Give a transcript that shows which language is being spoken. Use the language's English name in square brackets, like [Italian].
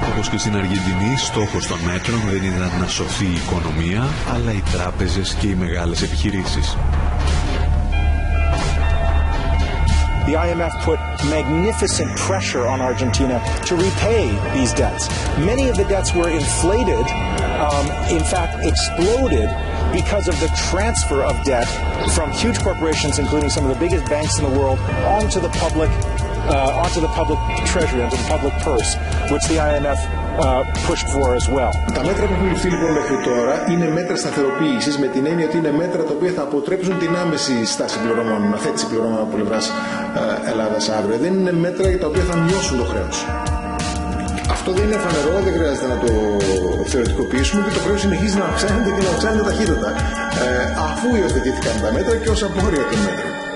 [Greek] Και στην Αργεντινή, στόχος των μέτρων δεν ήταν να σωθεί η οικονομία, αλλά οι τράπεζες και οι μεγάλες επιχειρήσεις. [English] The IMF put magnificent pressure on Argentina to repay these debts. Many of the debts were inflated, in fact exploded, because of the transfer of debt from huge corporations, including some of the biggest banks in the world, onto the public. Onto the public treasury, onto the public purse, which the IMF pushed for as well. [Greek] Τα μέτρα που έχουν ληφθεί λοιπόν μέχρι τώρα είναι μέτρα σταθεροποίησης με την έννοια ότι είναι μέτρα τα οποία θα αποτρέψουν την άμεση στάση πληρωμών, αθέτηση πληρωμών από πλευράς Ελλάδας αύριο. Δεν είναι μέτρα τα οποία θα μειώσουν το χρέος. Αυτό δεν είναι φανερό, δεν χρειάζεται να το θεωρητικοποιήσουμε, ότι το χρέος συνεχίζει να αυξάνεται και να αυξάνεται ταχύτητα αφού υιοθετήθηκαν τα μέτρα και ως απόρρια των μέτρων.